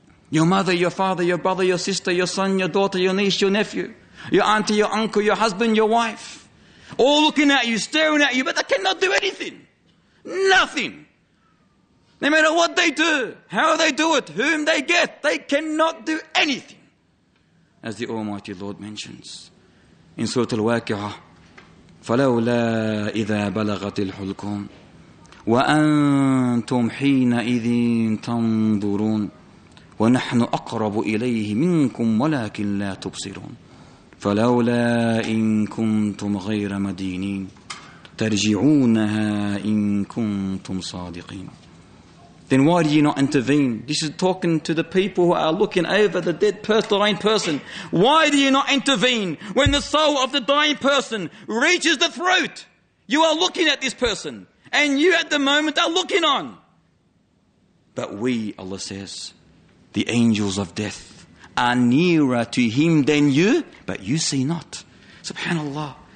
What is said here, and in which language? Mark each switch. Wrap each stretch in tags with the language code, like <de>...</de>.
<en>Your mother, your father, your brother, your sister, your son, your daughter, your niece, your nephew, your auntie, your uncle, your husband, your wife, all looking at you, staring at you, but they cannot do anything. Nothing. No matter what they do, how they do it, whom they get, they cannot do anything. As the Almighty Lord mentions in Surah Al-Waqi'ah,</en> <ar>فَلَوْلَا إِذَا بَلَغَتِ الْحُلْقُمْ وَأَنْتُمْ حِينَ إِذٍ تَنْظُرُونَ وَنَحْنُ أَقْرَبُ إِلَيْهِ مِنْكُمْ وَلَكِنْ لَا تُبْصِرُونَ فَلَوْلَا إِن كُنْتُمْ غَيْرَ مَدِينِينَ تَرْجِعُونَهَا إِن كُنْتُمْ صَادِقِينَ.</ar> <en>Then why do you not intervene? This is talking to the people who are looking over the dead person, the dying person. Why do you not intervene when the soul of the dying person reaches the throat? You are looking at this person and you at the moment are looking on. But we, Allah says, the angels of death are nearer to him than you, but you see not. Subhanallah.</en>